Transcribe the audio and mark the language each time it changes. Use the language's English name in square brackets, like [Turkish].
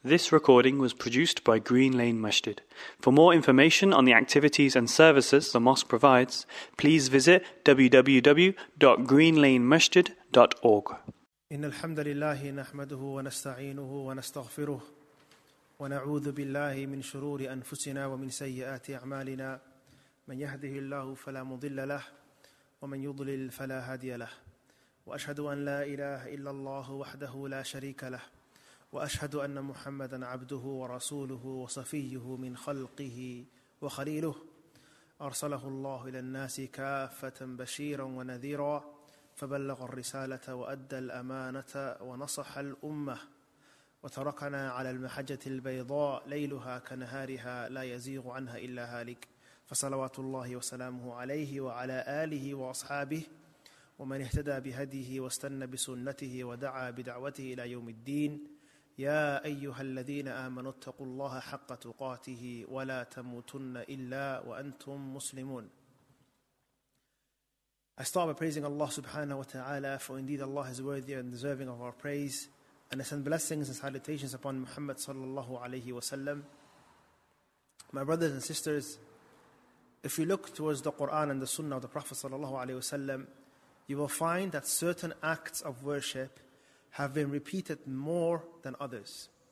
[English] This recording was produced by Green Lane Masjid. For more information on the activities and services the mosque provides, please visit www.greenlanemasjid.org. [Arabic] Innal hamdalillah nahmaduhu wa nasta'inuhu wa nastaghfiruh wa na'udhu billahi min shururi anfusina wa min sayyiati a'malina man yahdihillahu fala mudilla lah wa man yudlil fala hadiya lah wa ashhadu an la ilaha illallah wahdahu la sharika lah وأشهد أن محمدًا عبده ورسوله وصفيه من خلقه وخليله أرسله الله إلى الناس كافة بشيرا ونذيرا فبلغ الرسالة وأدى الأمانة ونصح الأمة وتركنا على المحجة البيضاء ليلها كنهارها لا يزيغ عنها إلا هالك فصلوات الله وسلامه عليه وعلى آله وأصحابه ومن اهتدى بهديه واستنى بسنته ودعا بدعوته إلى يوم الدين يا أيها الذين آمنوا اتقوا الله حق تقاته ولا تموتن إلا وأنتم مسلمون. [English] I start by praising Allah subhanahu wa ta'ala, for indeed Allah is worthy and deserving of our praise, and I send blessings and salutations upon Muhammad sallallahu alayhi wa sallam. My brothers and sisters, if you look towards the Quran and the Sunnah of the Prophet sallallahu alayhi wa sallam, you will find that certain acts of worship have been repeated more than others.